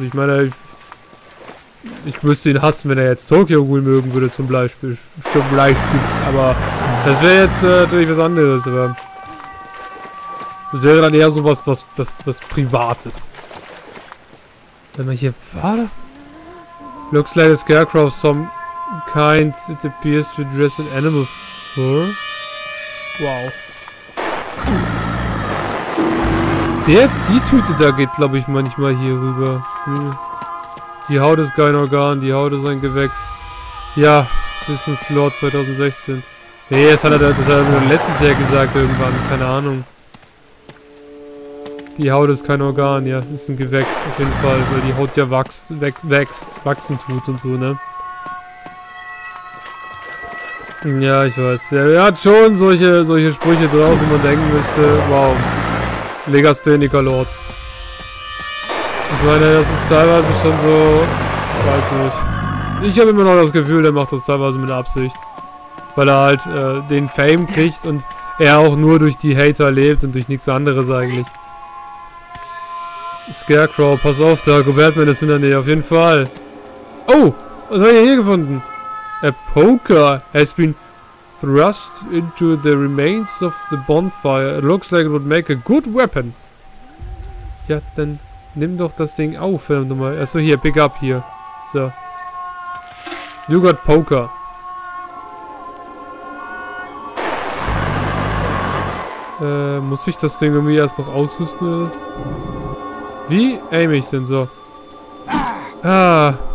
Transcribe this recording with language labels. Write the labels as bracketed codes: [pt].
[de] Ich meine, ich müsste ihn hassen, wenn er jetzt Tokyo Ghoul mögen würde, zum Beispiel. Aber das wäre jetzt natürlich was anderes, aber das wäre dann eher sowas, was Privates. Wenn man hier war. [en] Looks like a scarecrow of some kind. It appears to dress in animal fur. Wow. [de] Die Tüte da geht, glaube ich, manchmal hier rüber. Die Haut ist kein Organ, die Haut ist ein Gewächs. Ja, Wissens Lord 2016. Nee, das hat er nur letztes Jahr gesagt irgendwann, keine Ahnung. Die Haut ist kein Organ, ja, ist ein Gewächs auf jeden Fall, weil die Haut ja wachsen tut und so, ne? Ja, ich weiß. Ja, er hat schon solche Sprüche drauf, wie man denken müsste. Wow. Legastheniker Lord. Ich meine, das ist teilweise schon so. Ich weiß nicht. Ich habe immer noch das Gefühl, der macht das teilweise mit Absicht. Weil er halt den Fame kriegt und er auch nur durch die Hater lebt und durch nichts anderes eigentlich. Scarecrow, pass auf, Darko, Batman ist in der Nähe, auf jeden Fall. Oh! Was habe ich hier gefunden? [en] A poker has been thrust into the remains of the bonfire. It looks like it would make a good weapon. [de] Ja, dann. Nimm doch das Ding auf, verdammt nochmal. Achso, hier, pick up hier. So. [en] You got poker. [de] Muss ich das Ding irgendwie erst noch ausrüsten? Oder? Wie aim ich denn so? Ah.